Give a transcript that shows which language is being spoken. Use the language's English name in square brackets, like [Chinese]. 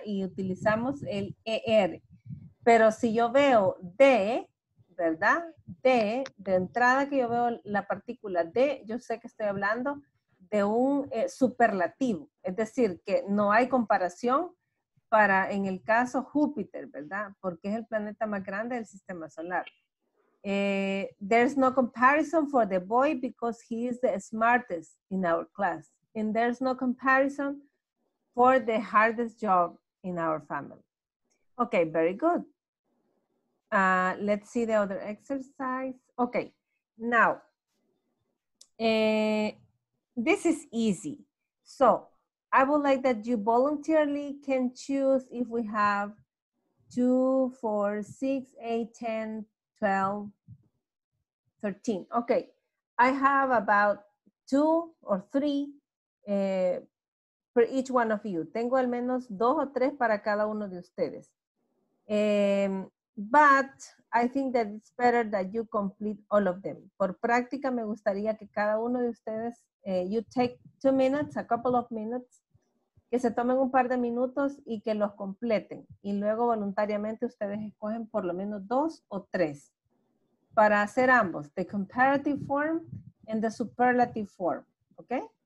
[Spanish] Y utilizamos el ER. Pero si yo veo de, ¿verdad? De entrada que yo veo la partícula de, yo sé que estoy hablando de un superlativo. Es decir, que no hay comparación para, en el caso, Júpiter, ¿verdad? Porque es el planeta más grande del sistema solar. [English] There's no comparison for the boy because he is the smartest in our class. And there's no comparison for the hardest job in our family. Okay, very good. Let's see the other exercise. Okay, now, this is easy. So, I would like that you voluntarily can choose if we have 2, 4, 6, 8, 10, 12, 13. Okay, I have about 2 or 3 for each one of you. [Spanish] Tengo al menos 2 o 3 para cada uno de ustedes. [English] But I think that it's better that you complete all of them. [Spanish] Por práctica, me gustaría que cada uno de ustedes, [English] you take 2 minutes, a couple of minutes, [Spanish] que se tomen un par de minutos y que los completen. Y luego voluntariamente ustedes escogen por lo menos 2 o 3 para hacer ambos, [English] the comparative form and the superlative form, [Spanish] okay?